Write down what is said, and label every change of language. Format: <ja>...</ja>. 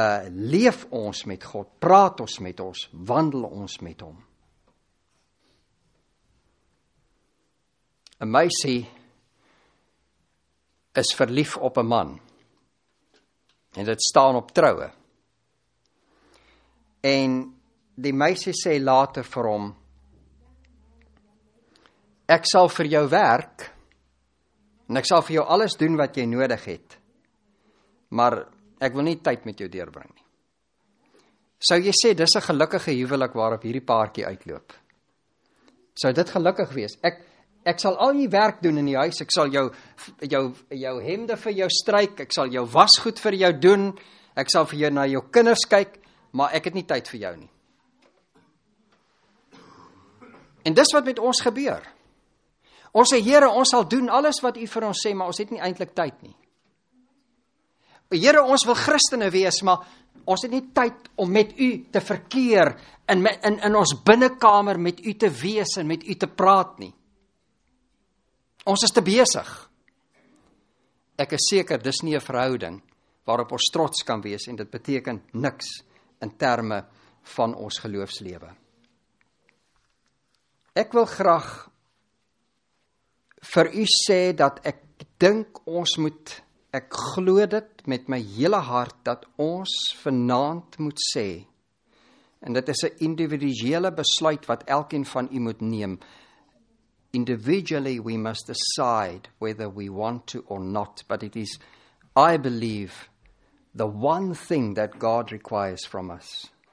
<af>Leef ons met God, praat ons met ons, wandel ons met hom. Een meisie is verlief op een man, en dit staan op troue. En die meisie sê later vir hom, ek sal vir jou werk, en ek sal vir jou alles doen wat jy nodig het, maar ek wil nie tyd met jou deurbring nie. Sou jy sê, dis 'n gelukkige huwelik waarop hierdie paartjie uitloop? Sou dit gelukkig wees? Ek sal al jou werk doen in die huis, ek sal jou hemde vir jou stryk, ek sal jou wasgoed vir jou doen, ek sal vir jou na jou kinders kyk, maar ek het nie tyd vir jou nie. En dis wat met ons gebeur. Ons sê, Here, ons sal doen alles wat u vir ons sê, maar ons het nie eintlik tyd nie. Here, ons wil Christene wees, maar ons het nie tyd om met u te verkeer in ons binnenkamer met u te wees en met u te praat nie. Ons is te besig. Ek is seker, dis nie 'n verhouding waarop ons trots kan wees en dit beteken niks in terme van ons geloofslewe. Ek wil graag vir u sê dat ek dink ons moet, ek glo dit met my hele hart, dat ons vanaand moet sê, en dit is 'n individuele besluit wat elkeen van u moet neem,</af> <en>individually we must decide whether we want to or not, but it is, I believe, the one thing that God requires from us.</en>